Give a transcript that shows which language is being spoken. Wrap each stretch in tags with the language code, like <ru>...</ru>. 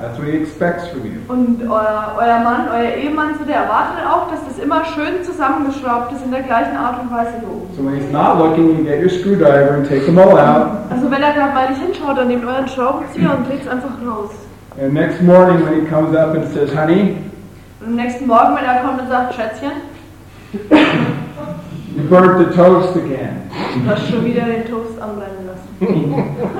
<en>That's what he expects from you.</en> <de>Und euer Mann, euer Ehemann, so der erwartet auch, dass das immer schön zusammengeschraubt ist in der gleichen Art und Weise hier oben.</de> <en>So when he's not looking, you get your screwdriver and take them all out.</en> <de>Also wenn er gerade mal nicht hinschaut, dann nehmt euren Schraubenzieher und dreht's einfach raus.</de> <en>And next morning when he comes up and says, honey.</en> <de>Und am nächsten Morgen, wenn er kommt und sagt, Schätzchen.</de> <en>You burnt the toast again.</en> <de>Du hast schon wieder den Toast anbrennen lassen.</de>